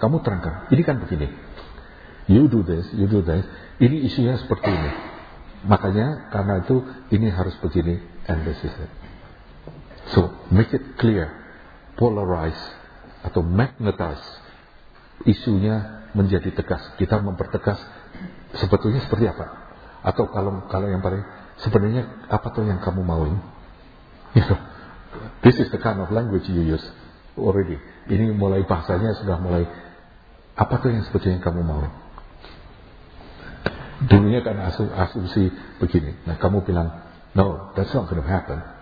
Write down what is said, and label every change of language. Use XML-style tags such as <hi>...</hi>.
<id>Kamu terangkan, ini kan begini,</id> <en>you do this,</en> <id>ini isunya seperti ini, makanya karena itu ini harus begini,</id> <en>and this is it. So make it clear, polarize atau magnetize</en> <id>isunya menjadi tegas. Kita mempertegas sebetulnya seperti apa, atau kalau yang paling sebenarnya apa tuh yang kamu mauin.</id> <en>You know, this is the kind of language you use already.</en> <id>Ini mulai bahasanya sudah mulai. Apa tuh yang sebetulnya kamu mau? Dulunya kan asumsi begini. Nah, kamu bilang,</id> <en>no, that's not going to happen.</en>